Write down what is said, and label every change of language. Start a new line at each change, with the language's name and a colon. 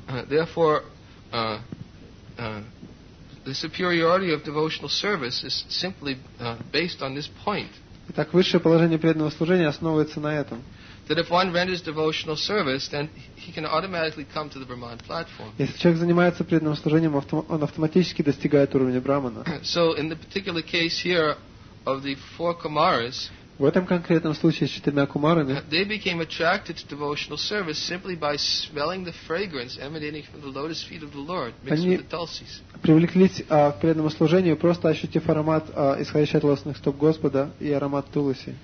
English: Therefore, the superiority of devotional service is simply based on this point.
Russian: Итак, высшее положение преданного служения основывается на этом.
English: That if one renders devotional service, then he can automatically come to the Brahman platform.
Russian: Если человек занимается преданным служением, он автоматически достигает уровня брахмана.
English: So in the particular case here of the four kumaras,
Russian: в этом конкретном случае с четырьмя кумарами,
English: they became attracted to devotional service simply by smelling the fragrance emanating from the lotus feet of the Lord mixed with the tulsis.
Russian: Они привлеклись к преданному служению просто ощутив аромат исходящий от лотосных стоп Господа и аромат туласи.